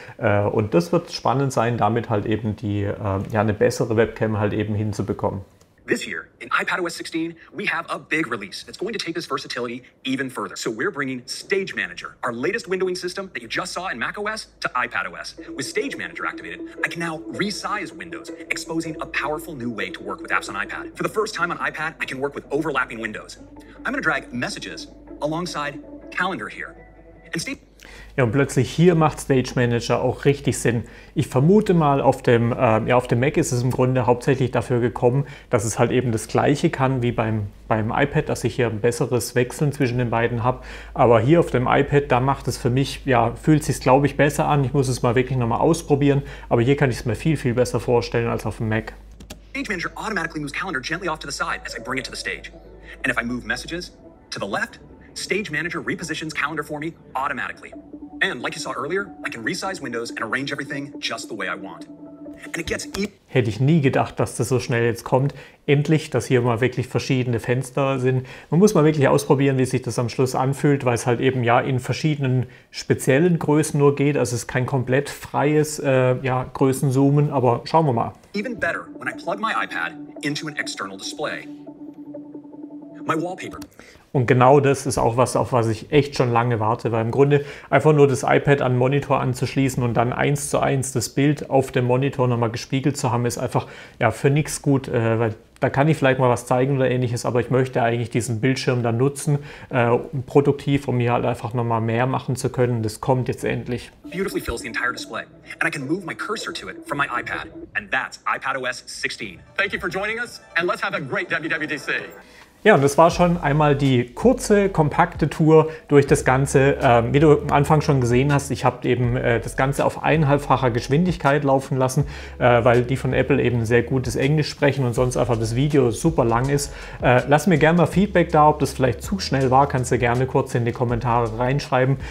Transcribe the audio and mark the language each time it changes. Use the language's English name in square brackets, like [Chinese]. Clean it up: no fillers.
[German] Und das wird spannend sein, damit halt eben die eine bessere Webcam halt eben hinzubekommen. [English] This year, in iPadOS 16, we have a big release that's going to take this versatility even further. So we're bringing Stage Manager, our latest windowing system that you just saw in macOS, to iPadOS. With Stage Manager activated, I can now resize windows, exposing a powerful new way to work with apps on iPad. For the first time on iPad, I can work with overlapping windows. I'm going to drag Messages alongside Calendar here. And Stage... [German] Ja, und plötzlich hier macht Stage Manager auch richtig Sinn. Ich vermute mal, auf dem Mac ist es im Grunde hauptsächlich dafür gekommen, dass es halt eben das Gleiche kann wie beim iPad, dass ich hier ein besseres Wechseln zwischen den beiden habe. Aber hier auf dem iPad, da macht es für mich, fühlt es sich, glaube ich, besser an. Ich muss es mal wirklich nochmal ausprobieren. Aber hier kann ich es mir viel, viel besser vorstellen als auf dem Mac. [English] Stage Manager automatically moves calendar gently off to the side as I bring it to the stage. And if I move messages to the left, Stage Manager repositions calendar for me automatically. And like you saw earlier, I can resize windows and arrange everything just the way I want. And it gets even... [German] Hätte ich nie gedacht, dass das so schnell jetzt kommt. Endlich, dass hier mal wirklich verschiedene Fenster sind. Man muss mal wirklich ausprobieren, wie sich das am Schluss anfühlt, weil es halt eben ja in verschiedenen speziellen Größen nur geht. Also es ist kein komplett freies Größenzoomen, aber schauen wir mal. [English] Even better when I plug my iPad into an external display. My wallpaper. [German] Und genau das ist auch was, auf was ich echt schon lange warte, weil im Grunde einfach nur das iPad an den Monitor anzuschließen und dann 1:1 das Bild auf dem Monitor nochmal gespiegelt zu haben, ist einfach ja für nichts gut, weil da kann ich vielleicht mal was zeigen oder ähnliches, aber ich möchte eigentlich diesen Bildschirm dann nutzen, produktiv, um hier halt einfach nochmal mehr machen zu können. Das kommt jetzt endlich. [English] Beautifully fills the entire display and I can move my cursor to it from my iPad and that's iPadOS 16. Thank you for joining us and let's have a great WWDC. [German] Ja, und das war schon einmal die kurze, kompakte Tour durch das Ganze. Wie du am Anfang schon gesehen hast, ich habe eben das Ganze auf einhalbfacher Geschwindigkeit laufen lassen, weil die von Apple eben sehr gutes Englisch sprechen und sonst einfach das Video super lang ist. Lass mir gerne mal Feedback da, ob das vielleicht zu schnell war, kannst du gerne kurz in die Kommentare reinschreiben.